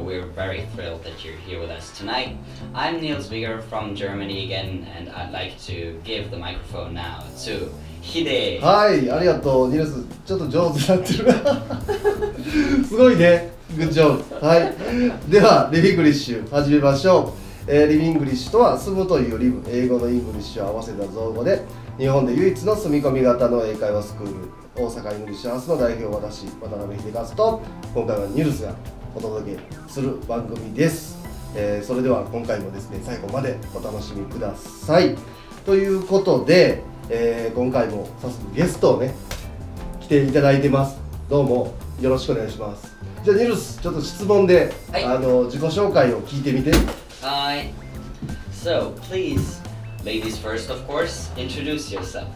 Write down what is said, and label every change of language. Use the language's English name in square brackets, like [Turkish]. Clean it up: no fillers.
[English] We're very thrilled that you're here with us tonight. I'm Niels Wigger from Germany again, and I'd like to give the microphone now to Hide. [Japanese] Hi, ありがとう、ニルス。ちょっと上手になってる。すごいね。 [English] Good job. [Japanese] はい。では、リビングリッシュ始めましょう。リビングリッシュとは、住むというリブ、英語のイングリッシュを合わせた造語で、日本で唯一の住み込み型の英会話スクール、大阪イングリッシュハウスの代表、私、渡辺秀和と、今回はニュースがお届けする番組です。それでは、今回もですね、最後までお楽しみください。ということで、今回も早速ゲストをね、来ていただいてます。どうも、よろしくお願いします。じゃあ、ニュース、ちょっと質問で、はい、自己紹介を聞いてみて。 [English] Hi. So, please, ladies first, of course, introduce yourself.